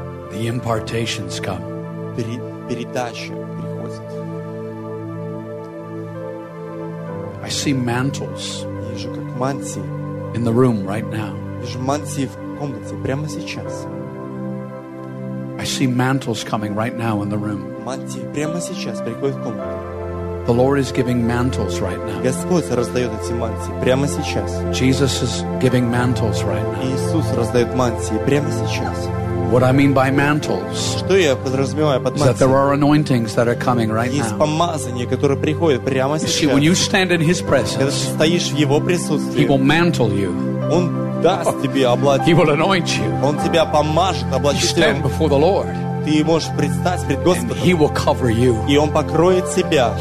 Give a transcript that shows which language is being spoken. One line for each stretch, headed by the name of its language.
English: The impartation's come.
Russian: передача приходит.
English: I see mantles.
Russian: Вижу как мантии.
English: In the room right now.
Russian: Вижу мантии в комнате прямо сейчас.
English: I see mantles coming right now in the room.
Russian: Мантии прямо сейчас приходят в комнату.
English: The Lord is giving mantles right now.
Russian: Господь раздает эти мантии прямо сейчас.
English: Jesus is giving mantles right now.
Russian: Иисус раздает мантии прямо сейчас.
English: What I mean by mantles that there are anointings that are coming right now.
Russian: Есть помазания, которые приходят прямо сейчас.
English: See, when you stand in His presence,
Russian: когда стоишь в Его присутствии,
English: He will mantle you.
Russian: Он даст тебе облачить.
English: He will anoint you.
Russian: Он тебя помажет, облачит.
English: You stand before the Lord.
Russian: Ты можешь предстать пред Господом.
English: He will cover you.
Russian: И Он покроет тебя.